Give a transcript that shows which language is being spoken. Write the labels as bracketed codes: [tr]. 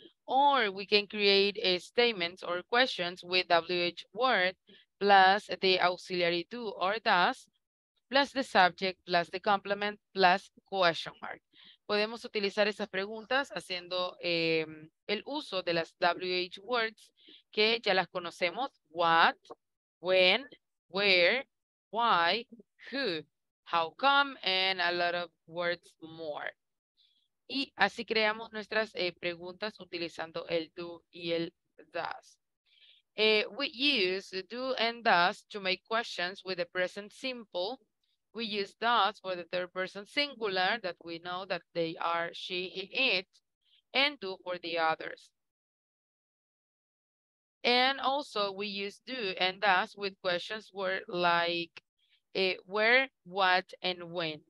[en] Or we can create a statements or questions with WH word plus the auxiliary do or does, plus the subject, plus the complement, plus question mark. [es] Podemos utilizar esas preguntas haciendo el uso de las WH words que ya las conocemos. [en] What, when, where, why, who, how come, and a lot of words more. [es] Y así creamos nuestras preguntas utilizando el do y el does. [en] We use do and does to make questions with the present simple. We use does for the third person singular that we know that they are she, he, it, and do for the others. And also we use do and does with questions where like where, what, and when.